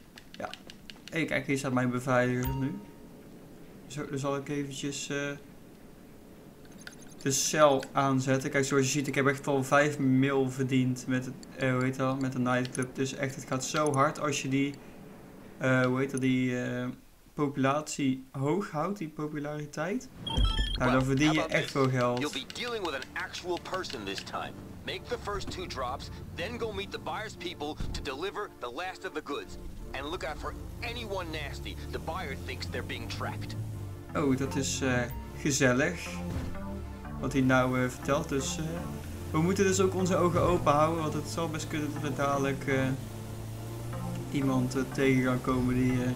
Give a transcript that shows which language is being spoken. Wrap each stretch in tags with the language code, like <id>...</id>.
<nl>Ja, hey, kijk, hier staat mijn beveiliger nu. Zo, dan zal ik eventjes de cel aanzetten. Kijk, zoals je ziet, ik heb echt al 5 mil verdiend met, het, hoe heet dat, met de nightclub. Dus echt, het gaat zo hard als je die, hoe heet dat, die populatie hoog houdt, die populariteit. Nou, dan verdien je echt veel geld.</nl> <en>You'll be dealing with an actual person this time. Make the first two drops, then go meet the buyer's people to deliver the last of the goods. And look out for anyone nasty. The buyer thinks they're being tracked.</en> <nl>Oh, dat is gezellig. Wat hij nou vertelt. Dus we moeten dus ook onze ogen open houden. Want het zal best kunnen dat er dadelijk iemand tegen gaan komen die.</nl>